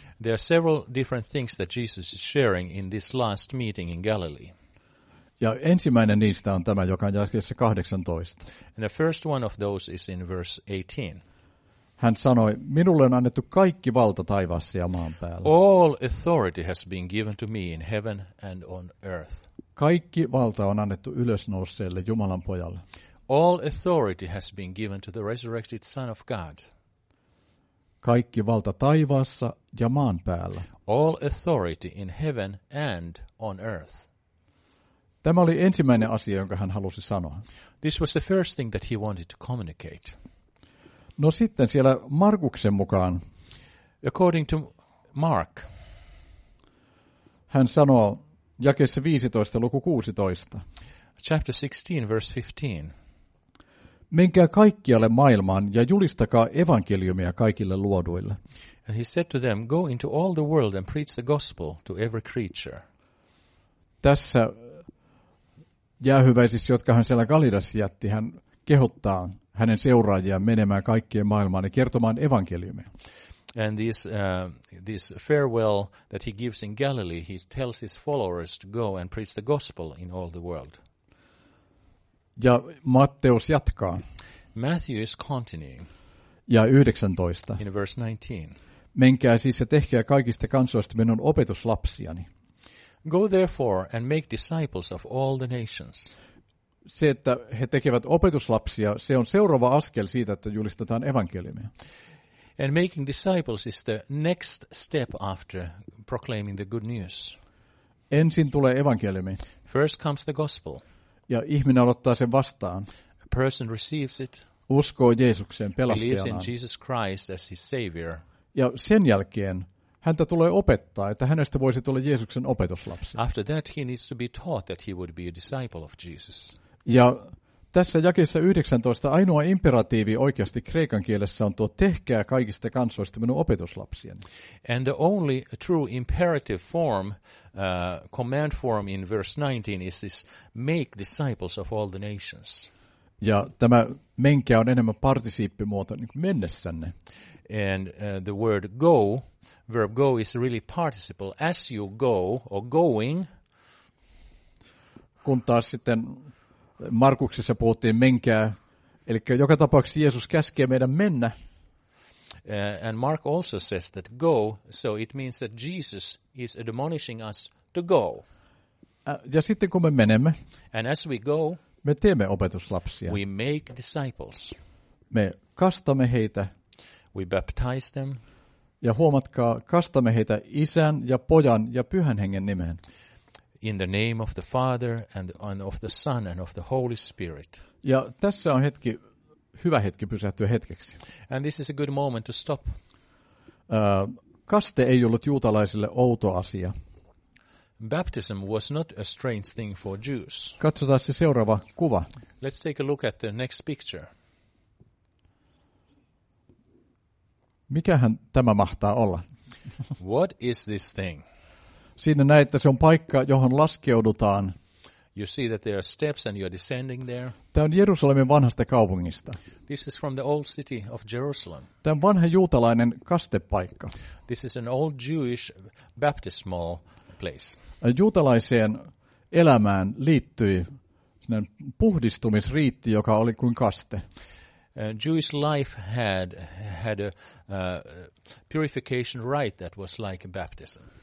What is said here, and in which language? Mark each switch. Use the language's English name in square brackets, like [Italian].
[English] There are several different things that Jesus is sharing in this last meeting in Galilee. [Finnish] Ja ensimmäinen niistä on tämä, joka on jakeessa 18. [English] And the first one of those is in verse 18. [Finnish] Hän sanoi, minulle on annettu kaikki valta taivaassa ja maan päällä. [English] All authority has been given to me in heaven and on earth. [Finnish] Kaikki valta on annettu ylösnouseelle Jumalan pojalle. [English] All authority has been given to the resurrected Son of God. [Finnish] Kaikki valta taivaassa ja maan päällä. [English] All authority in heaven and on earth. [Finnish] Tämä oli ensimmäinen asia, jonka hän halusi sanoa. [English] This was the first thing that he wanted to communicate. [Finnish] No sitten siellä Markuksen mukaan. [English] According to Mark. [Finnish] Hän sanoo jakeessa 15 luku 16. [English] Chapter 16 verse 15. [Finnish] Menkää kaikkialle maailmaan ja julistakaa evankeliumia kaikille luoduille. [English] And he said to them, go into all the world and preach the gospel to every creature. [Finnish] Tässä jäähyväisissä, jotka hän siellä Galileassa jätti, hän kehottaa hänen seuraajiaan menemään kaikkien maailmaan ja kertomaan evankeliumia. [English] And this farewell that he gives in Galilee, he tells his followers to go and preach the gospel in all the world. [Finnish] Ja Matteus jatkaa. [English] Matthew is continuing. [Finnish] Ja 19. [English] In verse 19. [Finnish] Menkää siis ja tehkää kaikista kansoista minun opetuslapsiani. [English] Go therefore and make disciples of all the nations. [Finnish] Se, että he tekevät opetuslapsia, se on seuraava askel siitä, että julistetaan evankeliumia. [English] And making disciples is the next step after proclaiming the good news. [Finnish] Ensin tulee evankeliumi. [English] First comes the gospel. [Finnish] Ja ihminen aloittaa sen vastaan. [English] A person receives it. [Finnish] Uskoo Jeesukseen pelastajanaan. [English] Believes in Jesus Christ as his savior. [Finnish] Ja sen jälkeen häntä tulee opettaa, että hänestä voisi tulla Jeesuksen opetuslapsi. [English] After that he needs to be taught that he would be a disciple of Jesus. [Finnish] Ja tässä jakeessa 19 ainoa imperatiivi oikeasti kreikan kielessä on tuo tehkää kaikista kansoista minun opetuslapsiani. [English] And the only true imperative form, command form in verse 19 is this make disciples of all the nations. [Finnish] Ja tämä menkää on enemmän partisiippimuoto niin kuin mennessänne. [English] And the word go, verb go is really participle, as you go or going. [Finnish] Kun taas sitten Markuksessa puhuttiin menkää, eli joka tapauksessa Jeesus käskee meidän mennä. [English] And Mark also says that go, so it means that Jesus is admonishing us to go. [Finnish] Ja sitten kun me menemme, [English] and as we go, [Finnish] me teemme opetuslapsia. [English] We make disciples. [Finnish] Me kastamme heitä. [English] We baptize them. [Finnish] Ja huomatkaa, kastamme heitä Isän ja Pojan ja Pyhän Hengen nimeen. [English] In the name of the Father and of the Son and of the Holy Spirit. [Finnish] Ja tässä on hetki, hyvä hetki pysähtyä hetkeksi. [English] And this is a good moment to stop. [Finnish] Kaste ei ollut juutalaisille outo asia. [English] Baptism was not a strange thing for Jews. [Finnish] Katsotaan se seuraava kuva. [English] Let's take a look at the next picture. [Finnish] Mikähän tämä mahtaa olla? [English] What is this thing? [Finnish] Siinä näet, että se on paikka, johon laskeudutaan. [English] You see that there are steps and you're descending there. [Finnish] Tämä on Jerusalemin vanhasta kaupungista. [English] This is from the old city of Jerusalem. [Finnish] Tämä on vanha juutalainen kastepaikka. [English] This is an old Jewish baptismal place. [Finnish] Juutalaiseen elämään liittyi puhdistumisriitti, joka oli kuin kaste. [English] Jewish life had a purification rite that was like a baptism.